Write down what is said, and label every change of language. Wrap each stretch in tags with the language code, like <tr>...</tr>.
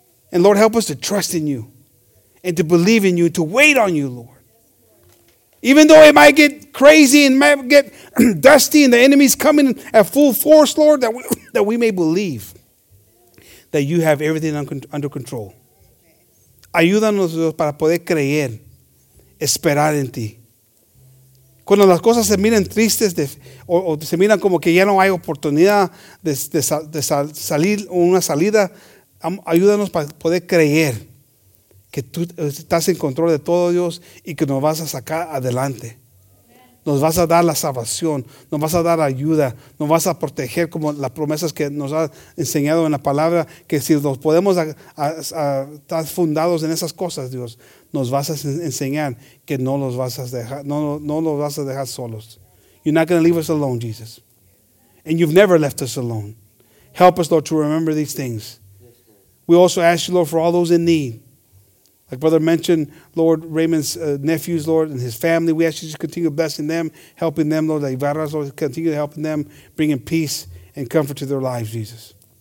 <en>And Lord, help us to trust in you and to believe in you, to wait on you, Lord. Even though it might get crazy and might get dusty and the enemy's coming at full force, Lord, that we may believe that you have everything under control.</en> <es>Ayúdanos, Dios, para poder creer, esperar en ti. Cuando las cosas se miran tristes o se miran como que ya no hay oportunidad de salir o una salida, ayúdanos para poder creer que tú estás en control de todo, Dios, y que nos vas a sacar adelante. Nos vas a dar la salvación, nos vas a dar ayuda, nos vas a proteger como las promesas que nos ha enseñado en la palabra, que si nos podemos estar fundados en esas cosas, Dios, nos vas a enseñar que no los vas a dejar, no los vas a dejar solos.</es> <en>You're not going to leave us alone, Jesus. And you've never left us alone. Help us, Lord, to remember these things. We also ask you, Lord, for all those in need. Like Brother mentioned, Lord, Raymond's nephews, Lord, and his family, we ask you to continue blessing them, helping them, Lord, the Ivaras, Lord, continue helping them, bringing peace and comfort to their lives, Jesus.</en>